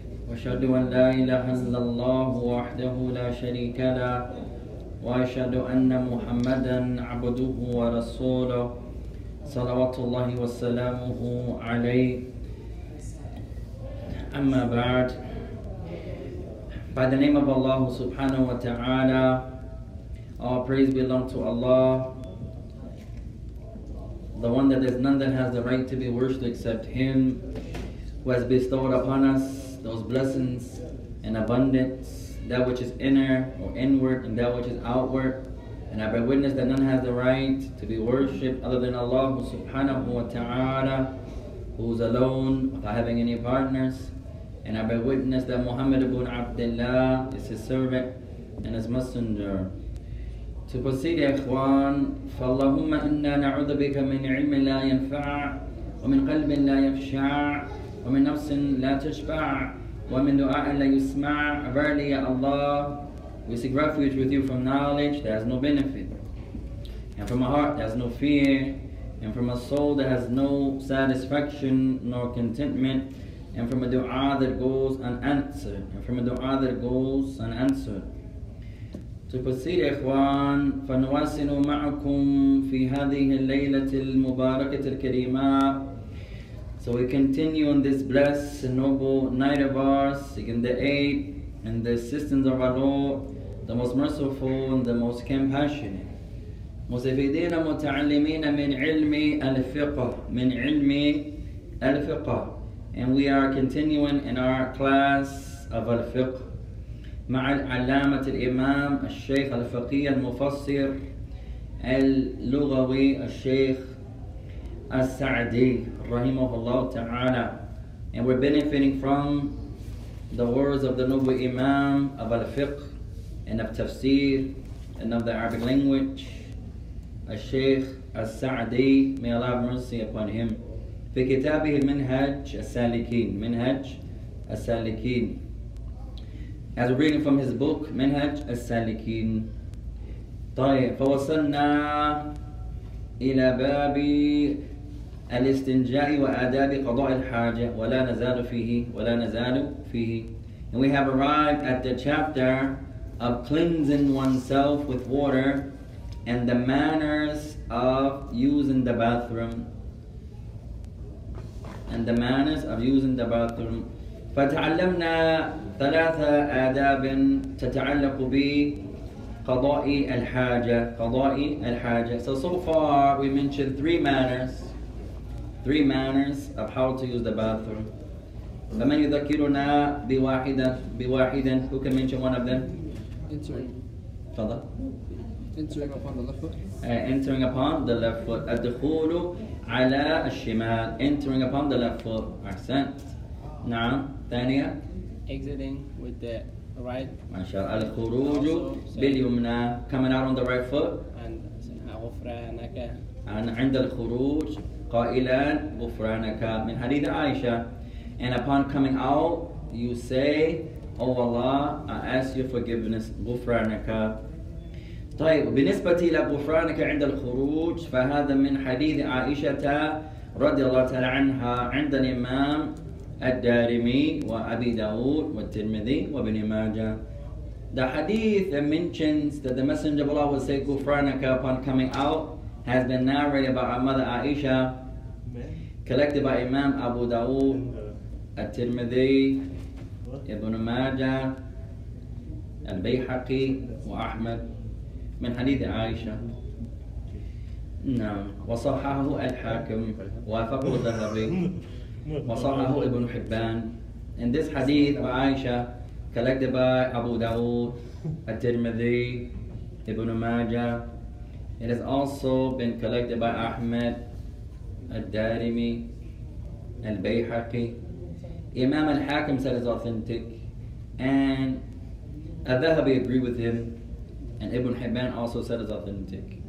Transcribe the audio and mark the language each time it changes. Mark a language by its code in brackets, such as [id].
[ar] وأشهد أن لا إله إلا الله وحده لا شريك له وأشهد أن محمدا عبده ورسوله صلوات الله وسلامه عليه أما بعد. [en] By the name of Allah subhanahu wa ta'ala, all praise belong to Allah, the one that is none that has the right to be worshipped except Him, who has bestowed upon us those blessings in abundance, that which is inner or inward and that which is outward. And I bear witness that none has the right to be worshipped other than Allah subhanahu wa ta'ala, who is alone without having any partners. And I bear witness that Muhammad ibn Abdullah is his servant and his messenger. To proceed, ikhwan, [ar] فَاللَّهُمَّ إِنَّا نَعُوذُ بِكَ مِنْ عِلْمٍ لَا يَنْفَعُ وَمِنْ قَلْبٍ لَا يَخْشَعُ وَمِنْ نَفْسٍ لَا تَشْبَعُ وَمِنْ دُعَاءٍ لَا يُسْمَعُ. [en] Verily, Ya Allah, we seek refuge with you from knowledge that has no benefit, and from a heart that has no fear, and from a soul that has no satisfaction nor contentment, and from a dua that goes unanswered, and from a dua that goes unanswered. To proceed, ikhwan, [ar] فَنُوَاسِنُوا مَعَكُمْ فِي هَذِهِ اللَّيْلَةِ الْمُبَارَكَةِ الْكَرِيمَةِ. [en] So we continue on this blessed and noble night of ours, seeking the aid and the assistance of our Lord, the most merciful and the most compassionate. [ar] مُسَفِدِينَ مُتَعَلِّمِينَ مِنْ عِلْمِ الْفِقْهِ مِنْ عِلْمِ الْفِقْهِ. [en] And we are continuing in our class of al-fiqh ma'a al-allamah al-imam al-shaykh al-faqih al-mufassir al-lughawi al-shaykh al-sa'di rahimahullah ta'ala. And we're benefiting from the words of the noble imam of al-fiqh and of tafsir and of the Arabic language, al-shaykh al-sa'di, may Allah have mercy upon him. [ar] في كتابه منهاج السالكين منهاج السالكين. [en] As we're reading from his book منهاج السالكين. [ar] طيب فوصلنا إلى باب الاستنجاء وآداب قضاء الحاجة ولا نزال فيه ولا نزال فيه. [en] And we have arrived at the chapter of cleansing oneself with water and the manners of using the bathroom. And the manners of using the bathroom. [ar] فتعلمنا ثلاثة آداب تتعلق بقضاء الحاجة قضاء الحاجة. [en] So far we mentioned three manners of how to use the bathroom. [ar] فمن يذكرنا بواحدة بواحدة. [en] Who can mention one of them? Entering upon the left foot. [ar] الدخول على الشمال. [en] Entering upon the left foot. Accent. [ar] نعم. ثانية. [en] Exiting with the right. [ar] ما شاء الله. الخروج باليمنى. [en] Coming out on the right foot. And غفرانك. [ar] And عند الخروج قائلا غفرانك من حديث عائشة. [en] And upon coming out, you say, Oh Allah, I ask your forgiveness. غفرانك. [ar] طيب بالنسبة إلى غفرانك عند الخروج فهذا من حديث عائشة رضي الله تعالى عنها عند الإمام الدارمي وأبي داود والترمذي وابن ماجه. [en] The hadith that mentions that the Messenger of Allah would say "Gufranaka" upon coming out has been narrated by our mother Aisha, collected by Imam Abu Dawood, At-Tirmidhi, Ibn Majah, Al-Bayhaqi, and Ahmad, from Hadith Aisha. [ar] نعم وصححه الحاكم وافقه الذهبي وصححه ابن حبان. [en] In this hadith of Aisha, collected by Abu Dawood, At-Tirmidhi, Ibn Majah, it has also been collected by Ahmed, Al-Darimi, Al-Bayhaqi. Imam Al-Hakim said it's authentic, and Al-Dhahabi agreed with him, and Ibn Hibban also said it's authentic.